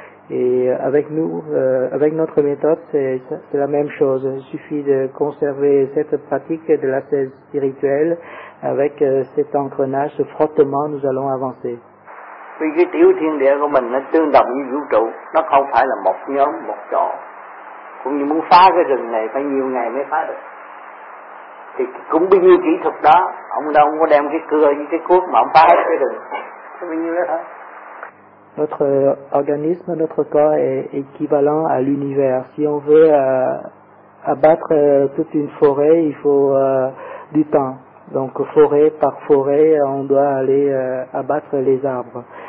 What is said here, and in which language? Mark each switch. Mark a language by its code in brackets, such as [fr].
[fr] Et avec nous, avec notre méthode, c'est la même chose. Il suffit de conserver cette pratique de la thèse spirituelle. Avec cet engrenage, ce frottement, nous allons avancer. [vi] Vì cái tiểu thiên địa của mình nó tương đồng với vũ trụ, nó không phải là một nhóm, một chỗ. Cũng như muốn phá cái rừng này phải nhiều ngày mới phá được. Thì cũng bao nhiêu kỹ thuật đó, ông đâu có đem cái cưa với cái cuốc mà ông phá hết cái rừng. Cái bao nhiêu đó thôi. [fr] Notre organisme, notre corps est équivalent à l'univers. Si on veut abattre toute une forêt, il faut du temps. Donc forêt par forêt, on doit aller abattre les arbres.